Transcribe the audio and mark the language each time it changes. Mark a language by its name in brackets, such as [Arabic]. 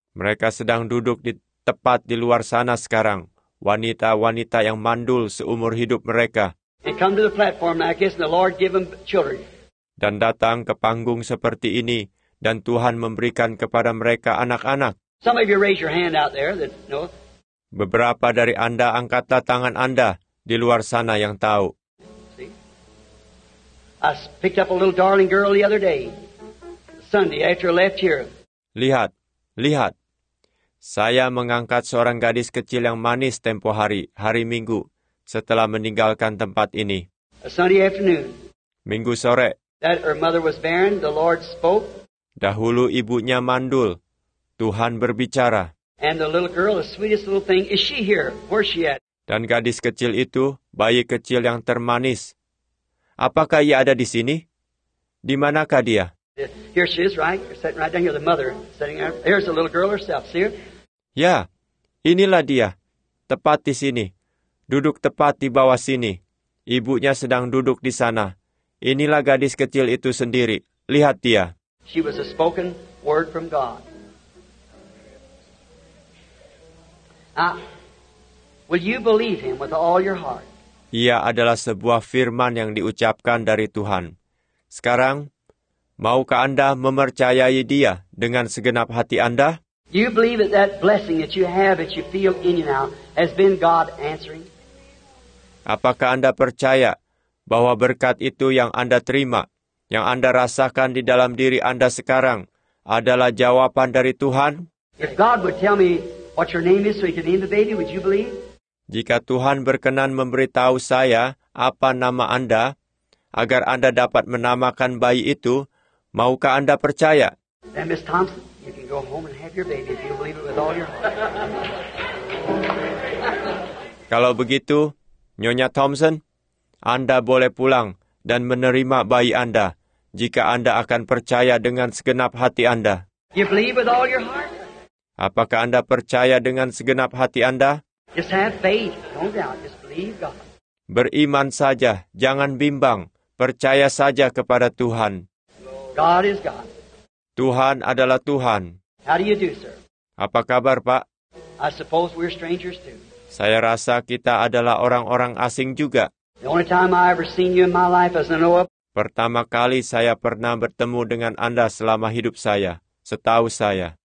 [Indonesian] Mereka sedang duduk di tepat di luar sana sekarang, wanita-wanita yang mandul seumur hidup mereka. [English] And come to the platform like this, and the Lord give them children. [Indonesian] Dan datang ke panggung seperti ini, dan Tuhan memberikan kepada mereka anak-anak. [English] Some of you raise your hand out there that know. [Indonesian] Beberapa dari Anda angkatlah tangan Anda di luar sana yang tahu. [English] See? I picked up a little darling girl the other day, Sunday after I left here. [Indonesian] Lihat, lihat. Saya mengangkat seorang gadis kecil yang manis tempo hari, hari Minggu, setelah meninggalkan tempat ini. [English] A Sunday afternoon. [Indonesian] Minggu sore. [English] That her mother was barren, the Lord spoke. [Indonesian] Dahulu ibunya mandul. Tuhan berbicara. [English] And the little girl, the sweetest little thing, is she here? Where is she at? [Indonesian] Dan gadis kecil itu, bayi kecil yang termanis. Apakah ia ada di sini? Di manakah dia? [English] Here she is, right? You're sitting right down here, the mother sitting there. Here's the little girl herself, see her? [Indonesian] Ya, inilah dia. Tepat di sini. Duduk tepat di bawah sini. Ibunya sedang duduk di sana. Inilah gadis kecil itu sendiri. Lihat dia. [English] She was a spoken word from God. Now, will you believe him with all your heart? [Indonesian] Ia adalah sebuah firman yang diucapkan dari Tuhan. Sekarang, maukah Anda mempercayai dia dengan segenap hati Anda? [English] You believe that that blessing that you have, that you feel in you now, has been God answering? [Indonesian] Apakah Anda percaya bahwa berkat itu yang Anda terima, yang Anda rasakan di dalam diri Anda sekarang, adalah jawaban dari Tuhan? [English] If God would tell me what your name is so he could name the baby, would you believe? [Indonesian] Jika Tuhan berkenan memberitahu saya apa nama Anda, agar Anda dapat menamakan bayi itu, maukah Anda percaya? [English] Then Miss Thompson, you can go home and have your baby if you believe it with all your heart. [Indonesian] Kalau begitu, Nyonya Thompson, Anda boleh pulang dan menerima bayi Anda jika Anda akan percaya dengan segenap hati Anda. [English] You believe with all your heart? [Indonesian] Apakah Anda percaya dengan segenap hati Anda? [English] Just have faith. Don't doubt. Just believe God. [Indonesian] Beriman saja, jangan bimbang. Percaya saja kepada Tuhan. [English] God is God. [Indonesian] Tuhan adalah Tuhan. [English] How do you do, sir? [Indonesian] Apa kabar, Pak? [English] I suppose we're strangers too. [Indonesian] Saya rasa kita adalah orang-orang asing juga. [English] The only time I ever seen you in my life as an OAP. [Indonesian] Pertama kali saya pernah bertemu dengan Anda selama hidup saya, setahu saya.